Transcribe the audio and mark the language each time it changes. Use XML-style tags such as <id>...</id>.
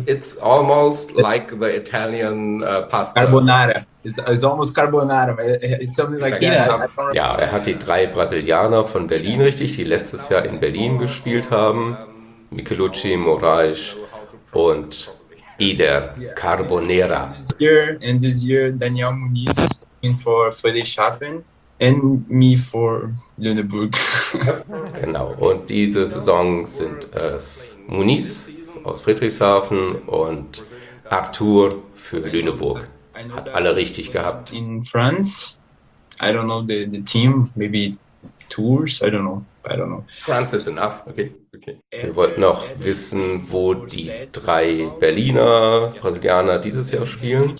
<en>It's almost like the Italian pasta. Carbonara. It's almost Carbonara. It's something like that.</en> <de>Ja, er hat die drei Brasilianer von Berlin richtig, die letztes Jahr in Berlin gespielt haben. Michelucci, Moraes und Eder Carbonera.</de> <en>This year, Daniel Muniz in for Friedrichshafen and me for Lüneburg.</en> <de>Genau, und diese Saison sind es Muniz aus Friedrichshafen und Arthur für Lüneburg. Hat alle richtig gehabt.</de> <en>In France, I don't know the team, maybe tours. I don't know. France is enough. Okay.</en> <de>Wir wollten noch wissen, wo die drei Berliner, Brasilianer dieses Jahr spielen.</de>